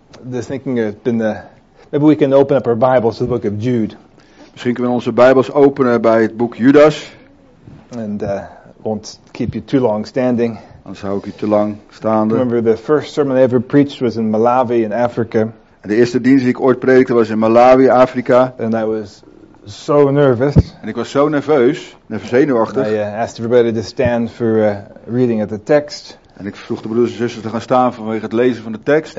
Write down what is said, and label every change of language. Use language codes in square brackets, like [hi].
[en] Just thinking, maybe we can open up our Bibles to the book of Jude. [nl] Misschien kunnen we onze Bijbels openen bij het boek Judas. [en] And won't keep you too long standing. [nl] Anders hou ik je te lang staande. [en] Remember the first sermon I ever preached was in Malawi in Africa. [nl] De eerste dienst die ik ooit predikte was in Malawi, Afrika. [en] And I was so nervous. [nl] En ik was zo nerveus, zenuwachtig. [en] I asked everybody to stand for reading of the text. [nl] En ik vroeg de broeders en zusters te gaan staan vanwege het lezen van de tekst.